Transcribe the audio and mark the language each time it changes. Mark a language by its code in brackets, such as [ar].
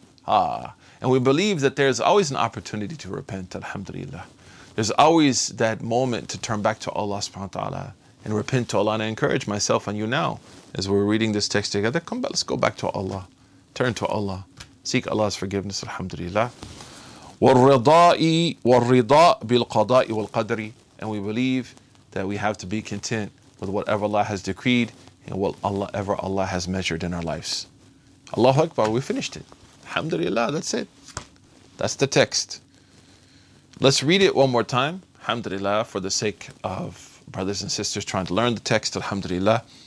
[en] Ah, and we believe that there's always an opportunity to repent, alhamdulillah. There's always that moment to turn back to Allah subhanahu wa ta'ala and repent to Allah. And I encourage myself and you now, as we're reading this text together, come back, let's go back to Allah. Turn to Allah. Seek Allah's forgiveness, alhamdulillah. [ar] والرضاء بالقضاء والقدر. [en] And we believe that we have to be content with whatever Allah has decreed and whatever Allah has measured in our lives. Allahu Akbar, we finished it. Alhamdulillah, that's it. That's the text. Let's read it one more time. Alhamdulillah, for the sake of brothers and sisters trying to learn the text. Alhamdulillah.